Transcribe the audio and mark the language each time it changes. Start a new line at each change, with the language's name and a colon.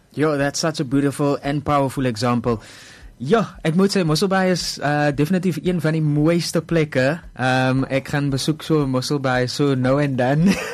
English: Yo, that's such a beautiful and powerful example.
Afrikaans: Ja, ek moet sê, Mosselbaai is definitief een van die mooiste plekke. Ek gaan besoek so Mosselbaai so nou en dan.